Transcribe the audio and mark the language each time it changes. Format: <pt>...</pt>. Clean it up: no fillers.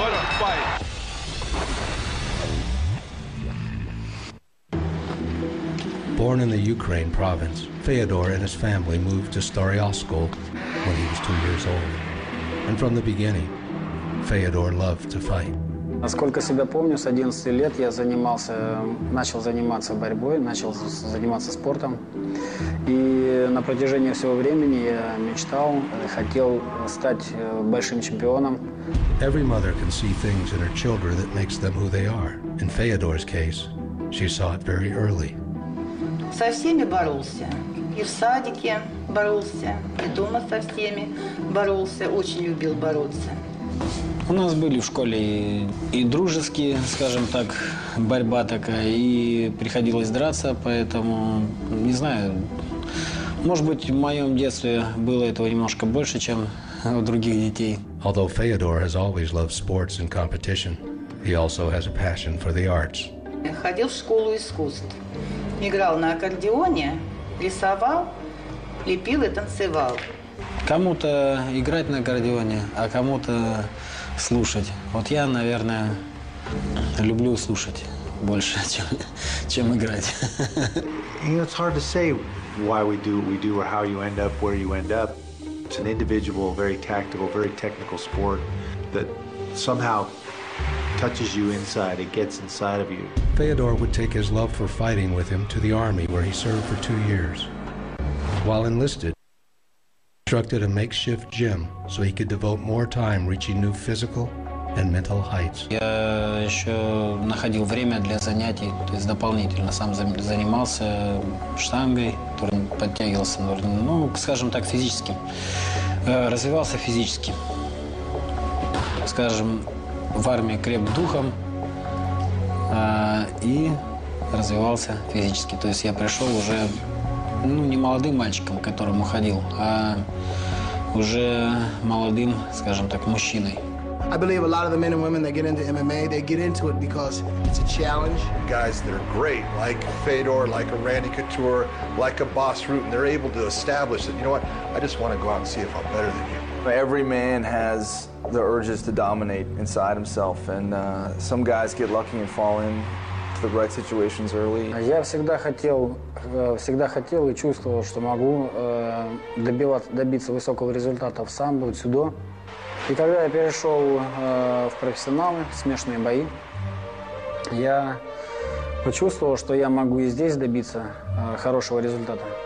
<en>What a fight. Born in the Ukraine province, Fedor and his family moved to Staryoskol when he was 2 years old. And from the beginning, Fedor loved to fight.</en> <ru>Насколько себя помню, с 11 лет я начал заниматься борьбой, начал заниматься спортом. И на протяжении всего времени я мечтал, хотел стать большим чемпионом.</ru> <en>Every mother can see things in her children that makes them who they are. In Fedor's case, she saw it very early.</en> <ru>Со всеми боролся. И в садике боролся, и дома со всеми боролся. Очень любил бороться. У нас были в школе и дружеские, скажем так, борьба такая. И приходилось драться, поэтому, не знаю, может быть, в моем детстве было этого немножко больше, чем у других детей.</ru> <en>Although Fedor has always loved sports and competition, he also has a passion for the arts.</en> <ru>Ходил в школу искусств. Играл на аккордеоне, рисовал, лепил и танцевал. Кому-то играть на аккордеоне, а кому-то слушать. Вот я, наверное, люблю слушать больше, чем играть.</ru> <en>You know, it's hard to say why we do what we do or how you end up where you end up. It's an individual, very tactical, very technical sport that somehow touches you inside, it gets inside of you. Fedor would take his love for fighting with him to the army where he served for 2 years. While enlisted, he constructed a makeshift gym so he could devote more time reaching new physical and mental heights.</en> <ru>Я еще находил время для занятий, то есть дополнительно сам занимался штангой, подтягивался, ну, скажем так, физически. Развивался физически. Скажем, в армии креп духом. И развивался физически. То есть я пришел уже не молодым мальчиком, к которому ходил, а уже молодым, скажем так, мужчиной.</ru> <en>I believe a lot of the men and women that get into MMA, they get into it because it's a challenge. Guys that are great, like Fedor, like a Randy Couture, like a Boss Root, and they're able to establish that, you know what, I just want to go out and see if I'm better than you. Every man has the urges to dominate inside himself, and some guys get lucky and fall into the right situations early.</en> <ru>Я всегда хотел и чувствовал, что могу добиться высокого результата в самбо, дзюдо. И когда я перешел в профессионалы, в смешанные бои, я почувствовал, что я могу и здесь добиться хорошего результата.</ru>